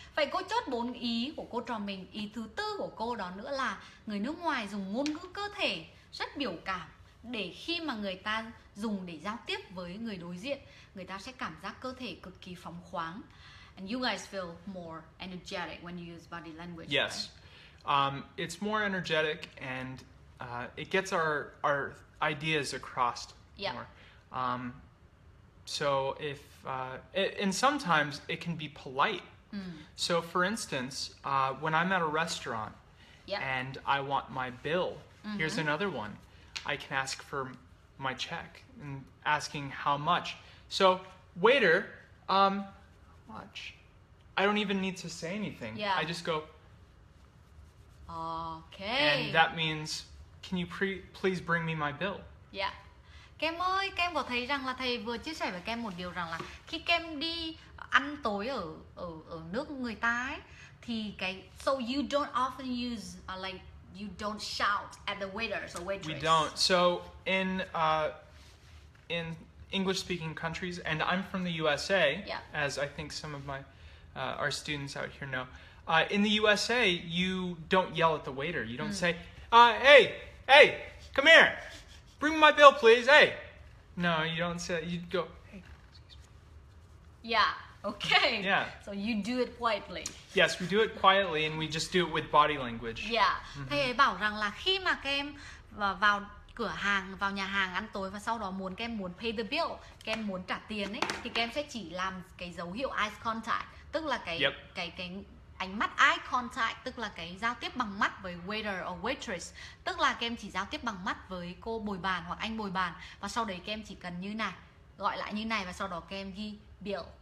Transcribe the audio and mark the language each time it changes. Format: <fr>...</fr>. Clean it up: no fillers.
<vi>Vậy cô chốt 4 ý của cô trò mình. Ý thứ tư của cô đó nữa là người nước ngoài dùng ngôn ngữ cơ thể rất biểu cảm để khi mà người ta dùng để giao tiếp với người đối diện, người ta sẽ cảm giác cơ thể cực kỳ phóng khoáng.</vi> <en>And you guys feel more energetic when you use body language. Yes. Right? It's more energetic and it gets our ideas across more. So if and sometimes it can be polite. So for instance, when I'm at a restaurant and I want my bill, here's another one. I can ask for my check and asking how much. So, waiter, watch. I don't even need to say anything. Yeah. I just go, okay. And that means, can you please bring me my bill? Yeah.</en> <vi>Kem ơi, kem có thấy rằng là thầy vừa chia sẻ với kem một điều rằng là khi kem đi ăn tối ở nước người ta ấy, thì cái,</vi> <en>so you don't often use, like, you don't shout at the waiters or waitress. We don't. So, in English-speaking countries, and I'm from the USA, as I think some of my our students out here know. In the USA, you don't yell at the waiter. You don't say, hey, hey, come here. Bring me my bill, please. Hey. No, you don't say that. You go, hey, excuse me. Yeah, okay. Yeah. So you do it quietly. Yes, we do it quietly, and we just do it with body language. Yeah.</en> <vi>Thầy ấy bảo rằng là khi mà các em vào cửa hàng, vào nhà hàng ăn tối và sau đó muốn các em muốn</vi> <en>pay the bill,</en> <vi>các em muốn trả tiền ấy, thì các em sẽ chỉ làm cái dấu hiệu</vi> <en>eye contact,</en> <vi>tức là cái cái ánh mắt eye contact, tức là cái giao tiếp bằng mắt với</vi> <en>waiter or waitress,</en> <vi>tức là các em chỉ giao tiếp bằng mắt với cô bồi bàn hoặc anh bồi bàn và sau đấy các em chỉ cần như này, gọi lại như này và sau đó các em ghi bill.</vi>